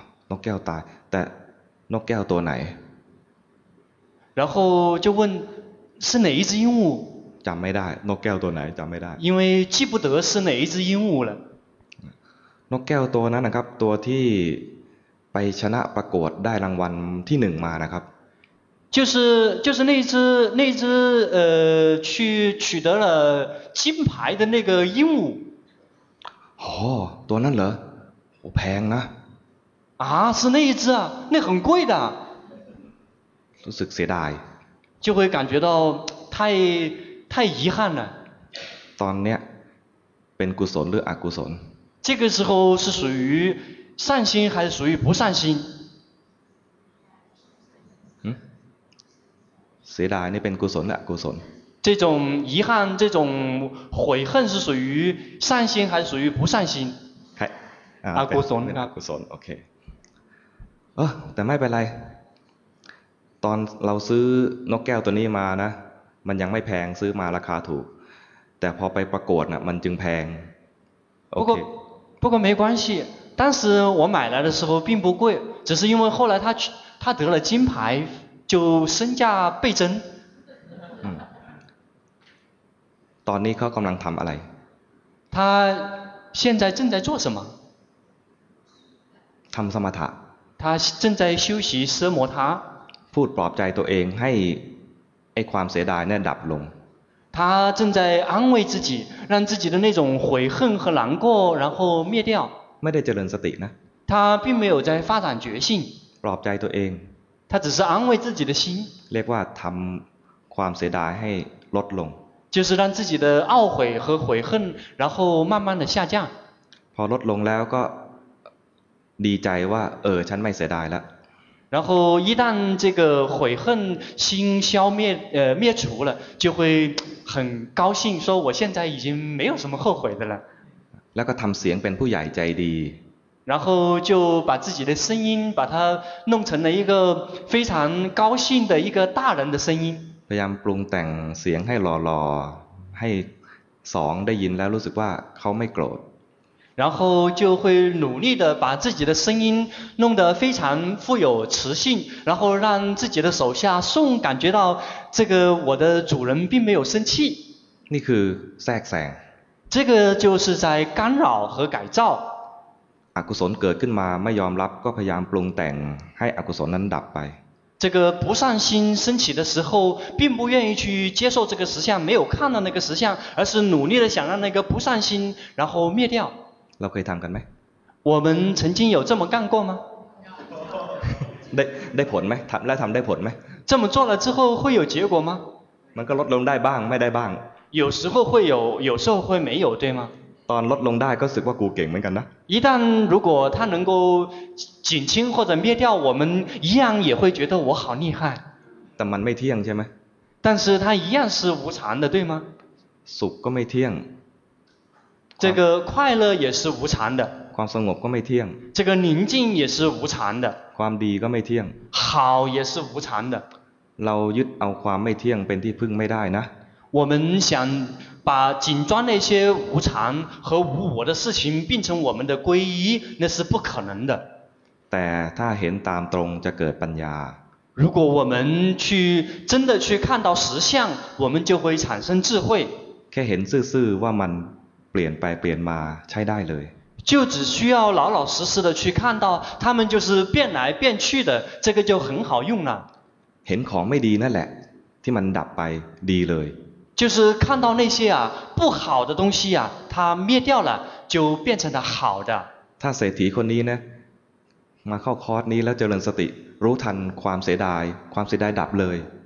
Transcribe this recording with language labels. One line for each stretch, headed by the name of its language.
Thai: นกแก้วตายแต่นกแก้วตัวไหน
Chinese: 然后就问是哪一只鹦鹉
Thai: จำไม่ได้นกแก้วตัวไหนจำไม่ได้
Chinese: 因为记不得是哪一只鹦鹉了
Thai: นกแก้วตัวนั้นนะครับตัวที่ไปชนะประกวดได้รางวัลที่หนึ่งมานะครับ
Chinese: 就是那只去取得了金牌的那个鹦鹉
Thai: 哦ตัวนั้นเหรอโหแพงนะ
Chinese: 是那一只啊那很贵的
Thai: รู้สึกเสียดาย
Chinese: 就会感觉到太遗憾了
Thai: ตอนเนี้ยเป็นกุศลหรืออกุศล
Chinese: 这个时候是属于善心还是属于不善心
Thai: เสียดายนี่เป็นกุศลหรืออกุศล
Chinese: 这种遗憾这种悔恨是属于善心还是属于不善心阿古松
Thai: 阿古松 OK 但ไม่เป็นไรตอนเราซื้อนกแก้วตัวนี้มานะมันยังไม่แพงซื้อมาราคาถูก 但พอไปประกวดน่ะมันจึงแพง
Chinese: 不过没关系，当时我买来的时候并不贵，只是因为后来他得了金牌，就身价倍增。
Thai: ตอนนี้เขากำลังทำอะไร？
Chinese: 他现在正在做什么？
Thai: ทำสมถะ。
Chinese: 他正在休息奢摩他。
Thai: พูดปลอบใจตัวเองให้ไอ้ความเสียดายเนี่ยดับลง。
Chinese: 他正在安慰自己，让自己的那种悔恨和难过然后灭掉。
Thai: ไม่ได้เจริญสตินะ。
Chinese: 他并没有在发展觉性。
Thai: ปลอบใจตัวเอง。
Chinese: 他只是安慰自己的心。
Thai: เรียกว่าทำความเสียดายให้ลดลง。
Chinese: 就是让自己的懊悔和悔恨然后慢慢的下降。
Thai: พอลดลงแล้วก็ดีใจว่าเออฉันไม่เสียดายละ。
Chinese: 然后一旦这个悔恨心消灭灭除了，就会很高兴，说我现在已经没有什么后悔的了。
Thai: แล้วก็ทำเสียงเป็นผู้ใหญ่ใจดี。
Chinese: 然后就把自己的声音把它弄成了一个非常高兴的一个大人的声音。
Thai: พยายามปรุงแต่งเสียงให้หล่อๆให้สองได้ยินแล้วรู้สึกว่าเขาไม่โกรธ。
Chinese: 然后就会努力的把自己的声音弄得非常富有磁性，然后让自己的手下送感觉到这个我的主人并没有生气。
Thai: นี่คือแทรกแซง。
Chinese: 这个就是在干扰和改造。
Thai: อกุศลเกิดขึ้นมาไม่ยอมรับก็พยายามปรุงแต่งให้อกุศลนั้นดับไป。
Chinese: 这个不善心升起的时候，并不愿意去接受这个实相，没有看到那个实相，而是努力的想让那个不善心然后灭掉。
Thai: เราเคยทำกันไหม
Chinese: 我们曾经有这么干过吗
Thai: ได้ผลไหมทำแล้วทำได้ผลไหม
Chinese: 这么做了之后会有结果吗
Thai: มันก็ลดลงได้บ้างไม่ได้บ้าง
Chinese: 有时候会有有时候会没有对吗
Thai: ตอนลดลงได้ก็รู้สึกว่ากูเก่งเหมือนกันนะ
Chinese: 一旦如果他能够减轻或者灭掉我们一样也会觉得我好厉害
Thai: แต่มันไม่เที่ยงใช่ไหม
Chinese: 但是他一样是无常的对吗
Thai: สุขก็ไม่เที่ยง
Chinese: 这个快乐也是无常的
Thai: ความสงบก็ไม่เที่ยง
Chinese: 这个宁静也是无常的
Thai: ความดีก็ไม่เที่ยง
Chinese: 好也是无常的
Thai: เรายึดเอาความไม่เที่ยงเป็นที่พึ่งไม่ได้นะ
Chinese: 我们想把紧抓那些无常和无我的事情变成我们的皈依那是不可能的
Thai: แต่ถ้าเห็นตามตรงจะเกิดปัญญา
Chinese: 如果我们去真的去看到实相我们就会产生智慧
Thai: แค่เห็นซื่อๆว่ามันเปลี่ยนไปเปลี่ยนมาใช้ได้เลย
Chinese: 就只需要老老实实的去看到他们就是变来变去的这个就很好用了
Thai: เห็นของไม่ดีนั่นแหละที่มันดับไปดีเลย
Chinese: 就是看到那些啊不好的东西啊它灭掉了就变成了好的
Thai: ถ้าเศรษฐีคนนี้นะมาเข้าคอร์สนี้แล้วเจริญสติรู้ทันความเสียดายความเสียดายดับเลย